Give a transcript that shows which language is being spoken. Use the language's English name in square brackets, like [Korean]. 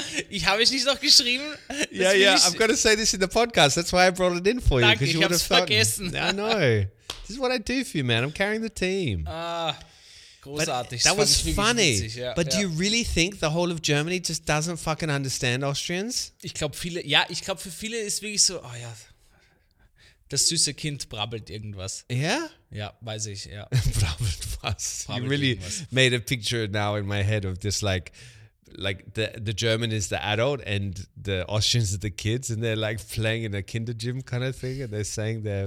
[German] Ich habe es nicht noch geschrieben. [English] Yeah, I've got to say this in the podcast. That's why I brought it in for you. [German] Danke, ich habe es vergessen. [English] I know. This is what I do for you, man. I'm carrying the team. [German] Großartig. [English] That was funny. Yeah, but yeah. Do you really think the whole of Germany just doesn't fucking understand Austrians? [German] Ich glaube für viele ist wirklich so, oh ja, das süße Kind brabbelt irgendwas. [English] Yeah? [German] Ja, weiß ich, ja. Brabbelt was. Brabbelt [English] you really [German] irgendwas. [English] Made a picture now in my head of this like the German is the adult and the Austrians are the kids and they're like playing in a kinder gym kind of thing and they're saying their